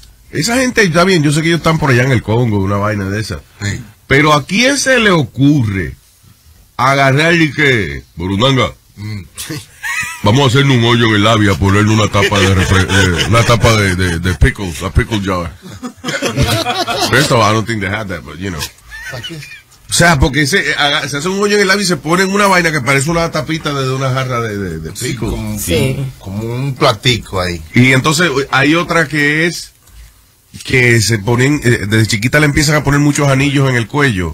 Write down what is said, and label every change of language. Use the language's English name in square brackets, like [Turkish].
[Spanish] Esa gente está bien, yo sé que ellos están por allá en el Congo, una vaina de esa. Sí. Pero ¿a quién se le ocurre agarrar y que, Burundanga? Vamos a hacerle un hoyo en el labio, ponerle una tapa de pickles, [English] a pickle jar. First of all, I don't think they had that, but you know. [Spanish] O sea, porque se hace un hoyo en el labio y se pone una vaina que parece una tapita de una jarra de pickles. Sí. Como un platico ahí. Y entonces hay otra que es que se ponen, desde chiquita le empiezan a poner muchos anillos en el cuello.